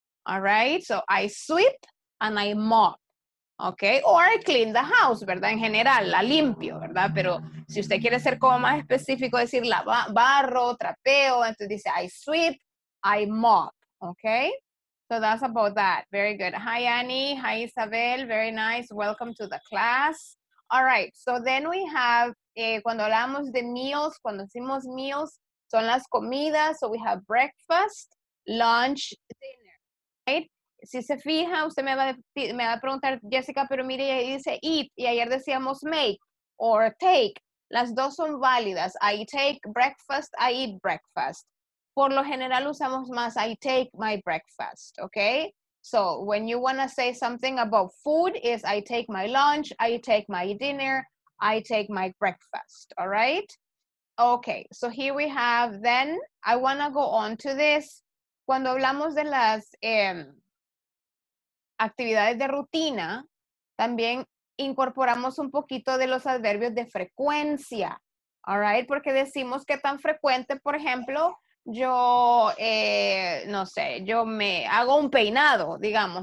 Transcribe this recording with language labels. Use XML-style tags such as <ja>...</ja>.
<en>All right, so I sweep and I mop. Okay, or I clean the house,</en> <es>¿verdad? En general, la limpio, ¿verdad? Pero si usted quiere ser como más específico, decir la barro, trapeo, entonces dice</es> <en>I sweep, I mop, okay. So that's about that. Very good. Hi, Annie. Hi, Isabel. Very nice. Welcome to the class. All right. So then we have,</en> <es>cuando hablamos de meals, cuando decimos meals, son las comidas.</es> <en>So we have breakfast, lunch, dinner. Right?</en> <es>Si se fija, usted me va a preguntar, Jessica, pero mire, ahí dice eat. Y ayer decíamos</es> <en>make or take.</en> <es>Las dos son válidas.</es> <en>I take breakfast, I eat breakfast.</en> <es>Por lo general usamos más,</es> <en>I take my breakfast, okay? So when you want to say something about food is I take my lunch, I take my dinner, I take my breakfast, all right? Okay, so here we have, then I want to go on to this.</en> <es>Cuando hablamos de las actividades de rutina, también incorporamos un poquito de los adverbios de frecuencia,</es> <en>all right?</en> <es>Porque decimos que tan frecuente, por ejemplo, yo, no sé, yo me hago un peinado, digamos.</es>